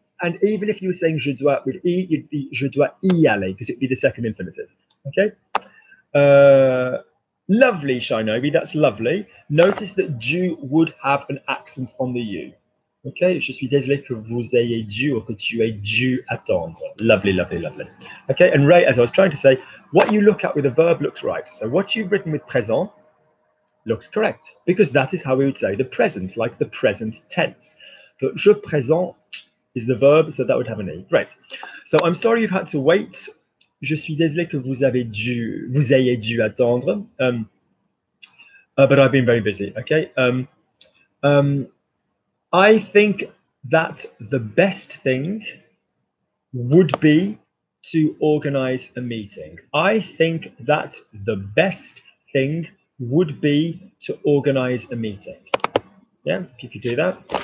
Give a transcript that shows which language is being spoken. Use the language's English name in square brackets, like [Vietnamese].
[English] And even if you were saying je dois with e, you'd be [French] je dois y aller [English] because it'd be the second infinitive. Okay. Lovely, Shinobi. That's lovely. Notice that du would have an accent on the u. Okay. [French] Je suis désolé que vous ayez du or que tu aies du attendre. [English] Lovely, lovely, lovely. Okay. And Ray, as I was trying to say, what you look at with a verb looks right. So what you've written with present looks correct because that is how we would say the present, like the present tense. But je présente is the verb, so that would have an e. Right. So I'm sorry you've had to wait. [French] Je suis désolé que vous ayez dû attendre. [English] But I've been very busy. Okay. I think that the best thing would be to organize a meeting. I think that the best thing would be to organize a meeting. Yeah, if you could do that.